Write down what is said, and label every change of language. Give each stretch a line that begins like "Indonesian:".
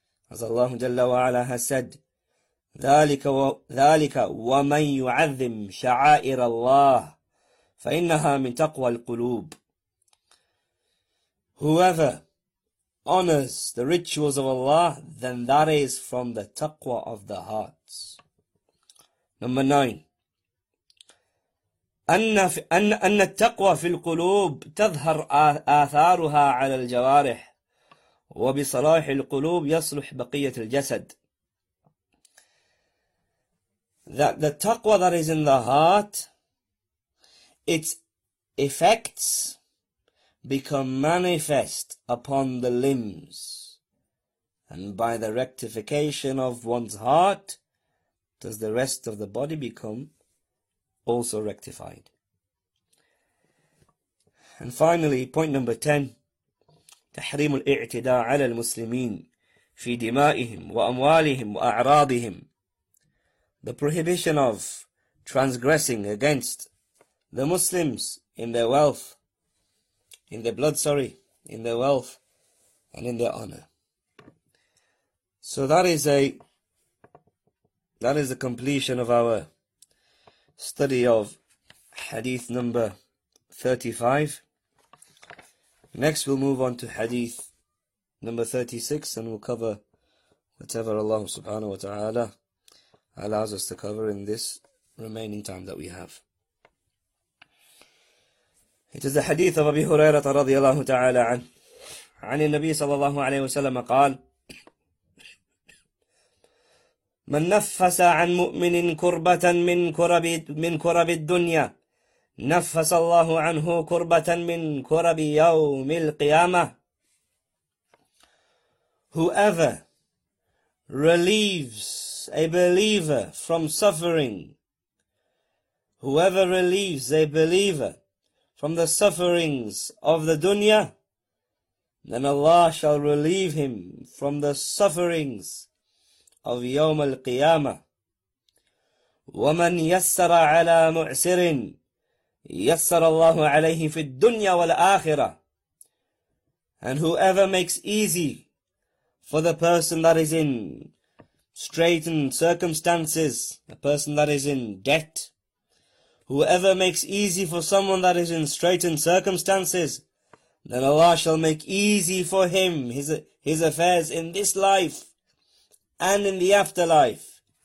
English: As Allah Jalla wa Ala has said,
Arabic: ذَلِكَ وَمَنْ يُعَذِّمْ شَعَائِرَ اللَّهِ فَإِنَّهَا مِنْ تَقْوَى الْقُلُوبِ.
English: Whoever honors the rituals of Allah, then that is from the taqwa of the hearts. Number nine.
Arabic: أن التقوى في القلوب تظهر آثارها على الجوارح وبصلاح القلوب يصلح بقية الجسد.
English: That the taqwa that is in the heart, its effects become manifest upon the limbs, And by the rectification of one's heart, does the rest of the body become also rectified. And finally, point number 10,
Arabic: تحريم الاعتداء على المسلمين في دمائهم وأموالهم وأعراضهم.
English: The prohibition of transgressing against the Muslims in their wealth, in their blood, sorry, in their wealth and in their honor. So that is the completion of our study of hadith number 35. Next we'll move on to hadith number 36 and we'll cover whatever Allah subhanahu wa ta'ala allows us to cover in this remaining time that we have. It is the hadith of Abi Hurairah radiallahu ta'ala
Arabic: عن النبي صلى الله عليه وسلم قال من نفس عن مؤمن كربة من كرب الدنيا نفس الله عنه كربة من كرب يوم القيامة.
English: Whoever relieves a believer from suffering, whoever relieves a believer from the sufferings of the dunya, then Allah shall relieve him from the sufferings of يوم القيامة.
Arabic: ومن يسر على معسر يسر الله عليه في الدنيا والآخرة.
English: And whoever makes easy for the person that is in straitened circumstances, a person that is in debt, whoever makes easy for someone that is in straitened circumstances, then Allah shall make easy for him his affairs in this life and in the afterlife.